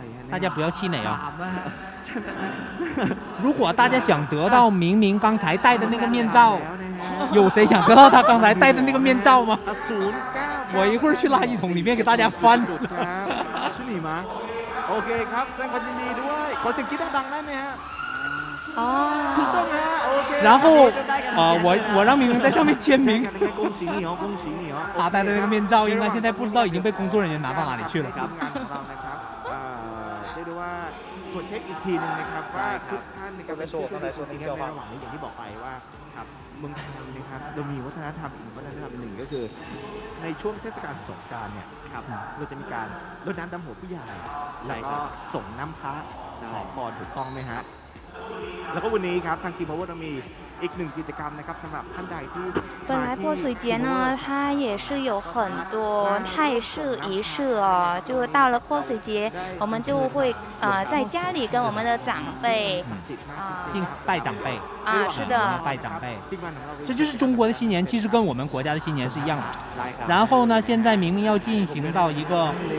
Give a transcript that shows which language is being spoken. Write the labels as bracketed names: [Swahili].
[Chinese] 大家不要气馁啊！如果大家想得到明明刚才戴的那个面罩，有谁想得到他刚才戴的那个面罩吗？我一会儿去垃圾桶里面给大家翻。是你吗？ [Thai] โอเคครับแสดงความยินดีด้วยขอเสียงกรี๊ดดังๆได้ไหมฮะ อ๋อ ถูกต้องฮะโอเค [Chinese] 然后我让明明在上面签名恭喜你哦恭喜你哦他戴的那个面罩应该现在不知道已经被工作人员拿到哪里去了 [Thai] ครับได้ดูว่าขอเช็คอีกทีนึงนะครับว่าทุกท่านในการไปโชว์ตั้งแต่โซนที่เที่ยวไม่หวังอย่างที่บอกไปว่าครับเมืองไทยนะครับเรามีวัฒนธรรมอีกวัฒนธรรมหนึ่งก็คือในช่วงเทศกาลสงกรานต์เนี่ย ครับ เราจะมีการรดน้ำดำหัวผู้ใหญ่ แล้วก็ส่งน้ำพระขอพรถูกต้องไหมฮะแล้วก็วันนี้ครับทางทีมพาวเวอร์เรามีอีกหนึ่งกิจกรรมนะครับสำหรับท่านใดที่ [Chinese] 本来泼水节呢它也是有很多泰式仪式哦就到了泼水节我们就会在家里跟我们的长辈敬拜长辈啊是的拜长辈这就是中国的新年其实跟我们国家的新年是一样的然后呢现在明明要进行到一个